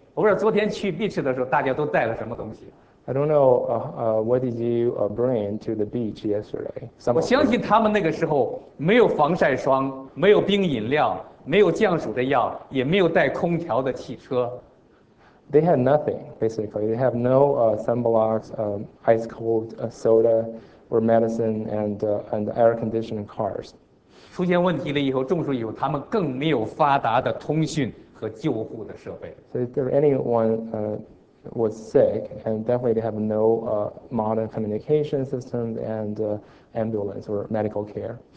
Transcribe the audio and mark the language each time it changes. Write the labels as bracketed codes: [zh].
[zh] 我不知道昨天去 beach 的时候，大家都带了什么东西。 [en] I don't know what did you bring to the beach yesterday. [zh] 我相信他们那个时候没有防晒霜，没有冰饮料，没有降暑的药，也没有带空调的汽车。 [en] They had nothing basically. They have no sunblocks, ice cold soda, or medicine, and air conditioned cars. [zh] 出现问题了以后，中暑以后，他们更没有发达的通讯。和救护的设备。 [en] So if there anyone was sick, and definitely they have no modern communication system and ambulance or medical care.